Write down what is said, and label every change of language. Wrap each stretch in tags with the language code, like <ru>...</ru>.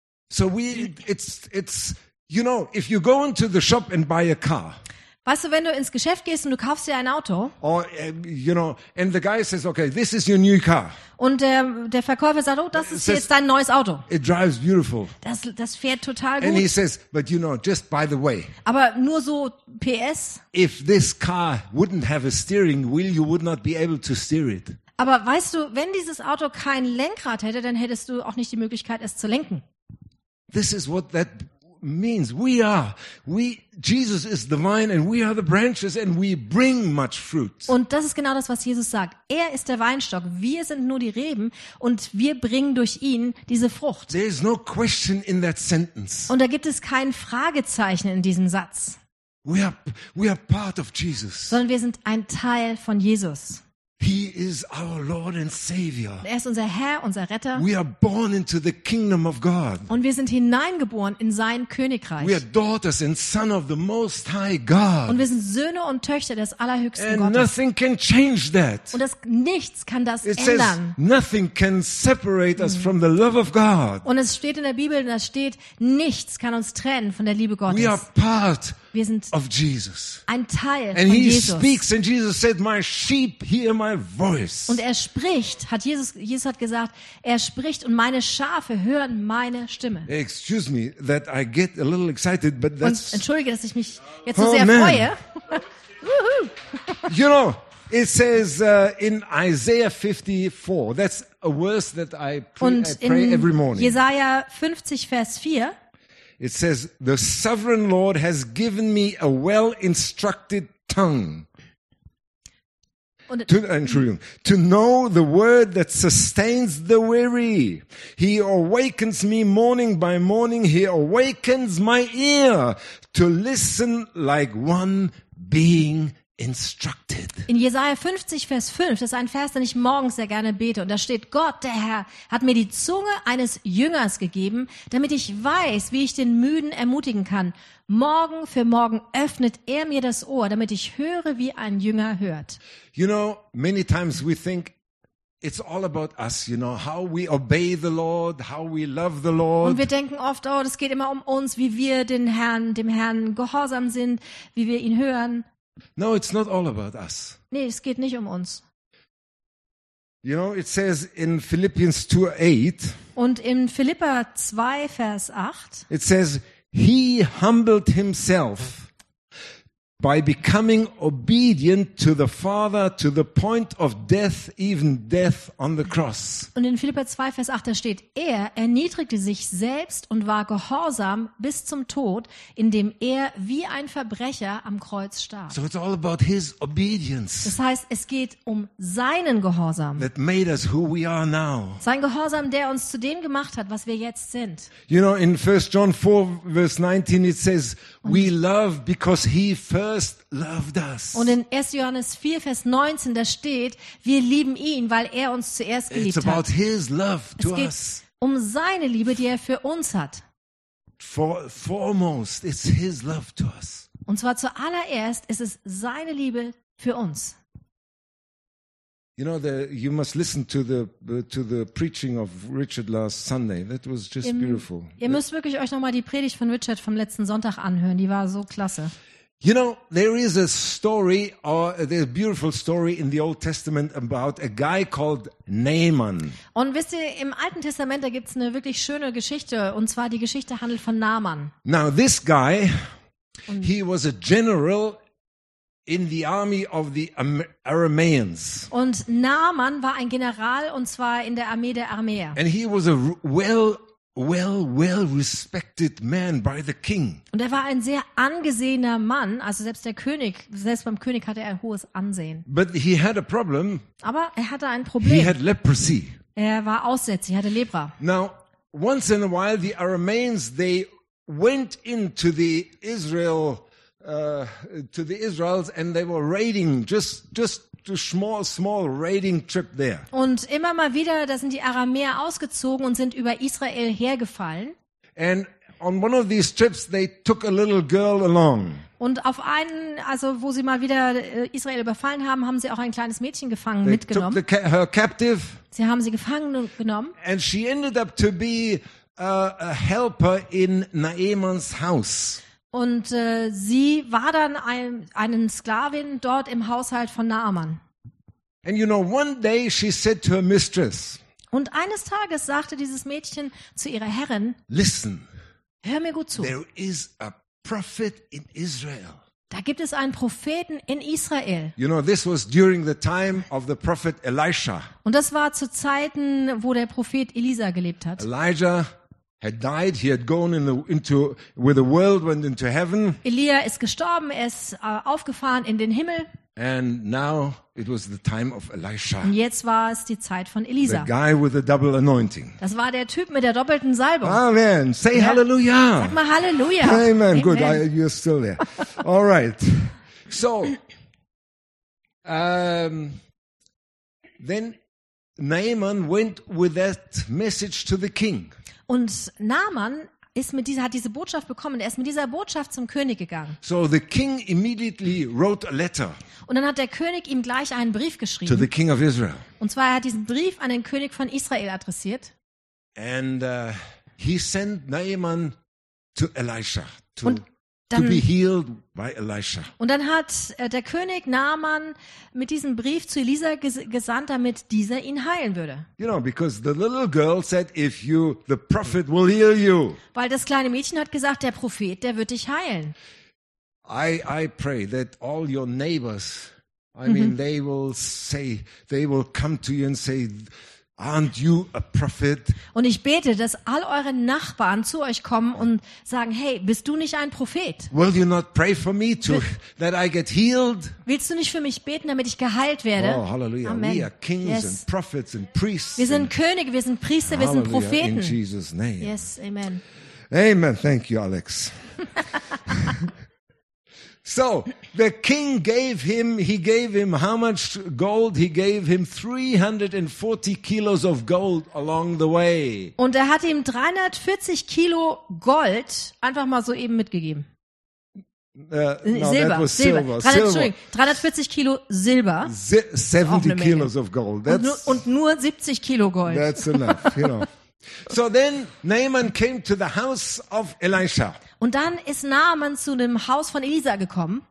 <en>So it's, you know, if you go into the shop and buy a car.</en> <de>Weißt du, wenn du ins Geschäft gehst und du kaufst dir ein Auto.</de> <en>Or, you know, and the guy says, okay, this is your new car.</en> <de>Und der Verkäufer sagt, oh, das ist says, jetzt dein neues Auto.</de> <en>It drives beautiful.</en> <de>Das fährt total gut.</de> <en>And he says, but you know, just by the way.</en> <de>Aber nur so PS.</de> <en>If this car wouldn't have a steering wheel, you would not be able to steer it.</en> <de>Aber weißt du, wenn dieses Auto kein Lenkrad hätte, dann hättest du auch nicht die Möglichkeit, es zu lenken.</de> <en>This is what that means. We Jesus is the vine and we are the branches and we bring much fruit.</en> <de>Und das ist genau das, was Jesus sagt. Er ist der Weinstock, wir sind nur die Reben und wir bringen durch ihn diese Frucht.</de> <en>There is no question in that sentence.</en> <de>Und da gibt es kein Fragezeichen in diesem Satz.</de> <en>We are part of Jesus.</en> <de>Sondern wir sind ein Teil von Jesus.</de> <en>He is our Lord and Savior.</en> <de>Er ist unser Herr, unser Retter.</de> <en>We are born into the kingdom of God.</en> <de>Und wir sind hineingeboren in sein Königreich.</de> <en>We are daughters and sons of the Most High God.</en> <de>Und wir sind Söhne und Töchter des Allerhöchsten</de> <en>and</en> <de>Gottes.</de> <en>Nothing can change that.</en> <de>Und nichts kann das</de> <en>it</en> <de>ändern.</de> <en>Says, nothing can separate us from the love of God.</en> <de>Und es steht in der Bibel, und es steht, nichts kann uns trennen von der Liebe Gottes.</de> <en>We are part.</en> <de>Wir sind</de> <en>of Jesus.</en> <de>Ein Teil</de> <en>and</en> <de>von</de> <en>he</en> <de>Jesus.</de> <en>Speaks and Jesus said, my sheep hear my voice.</en> <de>Und er spricht, hat Jesus hat gesagt, er spricht und meine Schafe hören meine Stimme.</de> <en>Excuse me that I get a little excited, but that's...</en> <de>Und entschuldige, dass ich mich jetzt so sehr freue.</de> <en>You know, it says in Isaiah 54, that's a verse that I pray every morning.</en> <de>Jesaja 50, Vers 4.</de> <en>It says, the sovereign Lord has given me a well-instructed tongue. To know the word that sustains the weary. He awakens me morning by morning. He awakens my ear to listen like one being instructed.</en> <de>In Jesaja 50, Vers 5, das ist ein Vers, den ich morgens sehr gerne bete. Und da steht, Gott, der Herr, hat mir die Zunge eines Jüngers gegeben, damit ich weiß, wie ich den Müden ermutigen kann. Morgen für morgen öffnet er mir das Ohr, damit ich höre, wie ein Jünger hört.</de> <en>You know, many times we think, it's all about us, you know, how we obey the Lord, how we love the Lord.</en> <de>Und wir denken oft, oh, das geht immer um uns, wie wir dem Herrn gehorsam sind, wie wir ihn hören.</de> <en>No, it's not all about us.</en> <de>Nee, es geht nicht um uns.</de> <en>You know, it says in Philippians 2:8.</en> <de>Und in Philipper 2, Vers 8.</de> <en>It says, he humbled himself by becoming obedient to the Father to the point of death, even death on the cross.</en> <de>Und in Philipper 2, Vers 8, da steht, er erniedrigte sich selbst und war gehorsam bis zum Tod, indem er wie ein Verbrecher am Kreuz starb.</de> <en>So it's all about his obedience.</en> <de>Das heißt, es geht um seinen Gehorsam.</de> <en>That made us who we are now.</en> <de>Sein Gehorsam, der uns zu dem gemacht hat, was wir jetzt sind.</de> <en>You know, in 1 John 4, Vers 19, it says, we love because he first loved us.</en> <de>Und in 1. Johannes 4, Vers 19, da steht, wir lieben ihn, weil er uns zuerst geliebt</de> <en>hat. It's about his love to us.</en> <de>Es geht um seine Liebe, die er für uns hat.</de> <en>Foremost, it's his love to us.</en> <de>Und zwar zuallererst ist es seine Liebe für uns.</de> <en>You know, you must listen to the preaching of Richard last Sunday. That was just beautiful.</en> <de>Ihr müsst wirklich euch nochmal die Predigt von Richard vom letzten Sonntag anhören. Die war so klasse.</de> <en>You know, there is a story, or there's a beautiful story in the Old Testament about a guy called Naaman.</en> <de>Und wisst ihr, im Alten Testament da gibt's eine wirklich schöne Geschichte, und zwar die Geschichte handelt von Naaman.</de> <en>Now this guy, he was a general in the army of the Aramaeans.</en> <de>Und Naaman war ein General, und zwar in der Armee der Aramäer.</de> <en>And he was a well respected man by the king.</en> <de>Und er war ein sehr angesehener Mann, also selbst beim König hatte er ein hohes Ansehen.</de> <en>But he had a problem.</en> <de>Aber er hatte ein Problem.</de> <en>He had leprosy.</en> <de>Er war aussätzig, hatte Lepra.</de> <en>Now, once in a while the Aramaeans, they went into the Israel to the Israelites, and they were raiding just a small raiding trip there.</en> <de>Und immer mal wieder, da sind die Aramäer ausgezogen und sind über Israel hergefallen.</de> <en>And on one of these trips they took a little girl along.</en> <de>Und auf einen, also wo sie mal wieder Israel überfallen haben, haben sie auch ein kleines Mädchen gefangen,</de> <en>they</en> <de>mitgenommen.</de> <en>Took her captive.</en> <de>Sie haben sie gefangen und genommen.</de> <en>And she ended up to be a helper in Naamans house.</en> <de>Und sie war dann eine Sklavin dort im Haushalt von Naaman.</de> <en>And you know, one day she said to her mistress.</en> <de>Und eines Tages sagte dieses Mädchen zu ihrer Herrin:</de> <en>Listen.</en> <de>Hör mir gut zu.</de> <en>There is a prophet in Israel.</en> <de>Da gibt es einen Propheten in Israel.</de> <en>You know, this was during the time of the prophet Elisha.</en> <de>Und das war zu Zeiten, wo der Prophet Elisa gelebt hat.</de> <en>Elijah had died, he had gone with the world went into heaven.</en> <de>Elia ist gestorben, er ist aufgefahren in den Himmel.</de> <en>And now it was the time of Elisha.</en> <de>Und jetzt war es die Zeit von Elisa.</de> <en>The guy with the double anointing.</en> <de>Das war der Typ mit der doppelten Salbung.</de> <en>Amen. Say hallelujah.</en> <de>Sag mal Halleluja.</de> <en>Amen. Good. You're still there. All right. So then Naaman went with that message to the king.</en> <de>Und Naaman hat diese Botschaft bekommen. Er ist mit dieser Botschaft zum König gegangen.</de> <en>So the king immediately wrote a letter.</en> <de>Und dann hat der König ihm gleich einen Brief geschrieben.</de> <en>To the king of Israel.</en> <de>Und zwar, er hat diesen Brief an den König von Israel adressiert.</de> <en>And he sent Naaman to Elisha to be healed by Elisha.</en> <de>Und dann hat der König Naaman mit diesem Brief zu Elisa gesandt, damit dieser ihn heilen würde.</de> <en>You know, because the little girl said, if you, the prophet will heal you.</en> <de>Weil das kleine Mädchen hat gesagt, der Prophet, der wird dich heilen.</de> <en>I pray that all your neighbors, they will say, they will come to you and say, aren't you a prophet?</en> <de>Und ich bete, dass all eure Nachbarn zu euch kommen und sagen, hey, bist du nicht ein Prophet?</de> <en>Will you not pray for me that I get healed?</en> <de>Willst du nicht für mich beten, damit ich geheilt werde?</de> <en>Oh, hallelujah. Amen. We are kings, yes. And prophets and priests.</en> <de>Wir sind Könige, wir sind Priester, wir sind Propheten.</de> <en>In Jesus' name. Yes, amen. Amen. Thank you, Alex. So the king gave him, he gave him how much gold? He gave him 340 kilos of gold along the way.</en> <de>Und er hat ihm 340 Kilo Gold einfach mal so eben mitgegeben. Silber. 340 Kilo Silber.</de> <en>70 kilos of gold.</en> <de>That's, und nur 70 Kilo Gold.</de> <en>That's enough, you know. So then Naaman came to the house of Elisha.</en> <de>Und dann ist Naaman zu dem Haus von Elisa gekommen.</de>